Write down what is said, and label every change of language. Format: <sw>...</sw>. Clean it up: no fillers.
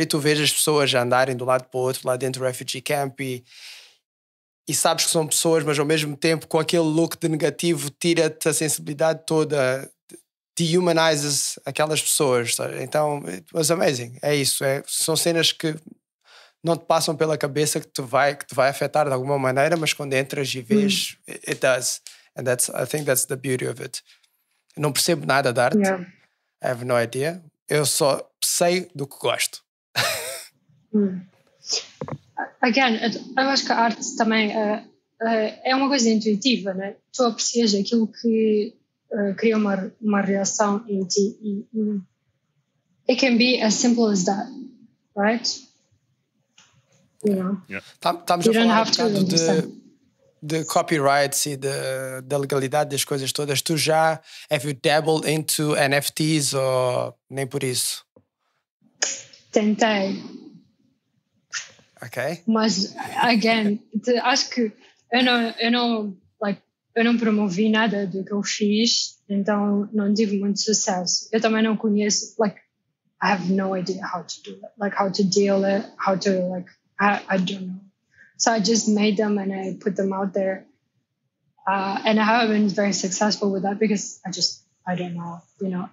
<pt>E tu vês as pessoas andarem do lado para o outro lá dentro do refugee camp e sabes que são pessoas, mas ao mesmo tempo com aquele look de negativo tira-te a sensibilidade toda, dehumanizes aquelas pessoas, sabe? Então,</pt> <en>it was amazing,</en> <pt>é isso, são cenas que não te passam pela cabeça que te vai afetar de alguma maneira, mas quando entras e vês,</pt> <en>it does. And that's, I think that's the beauty of it.</en> <pt>Eu não percebo nada de arte.</pt> <en>Yeah. I have no idea.</en> <pt>Eu só sei do que gosto. Again, eu acho que a arte também é uma coisa intuitiva, né? Tu aprecias aquilo que cria uma reação em ti.</pt> <en>It can be as simple as that, right?</en> <pt>Estamos a falar de copyrights e da legalidade das coisas todas. Tu já,</pt> <en>have you dabbled into NFTs</en> <pt>ou nem por isso? Tentei. Ok. Mas, again, acho que eu não promovi nada do que eu fiz, então não tive muito sucesso. Eu também não conheço, like,</pt> <en>I have no idea how to do it, like how to deal it, how to like, I don't know. So I just made them and I put them out there. And I haven't been very successful with that because I don't know, you know.</en>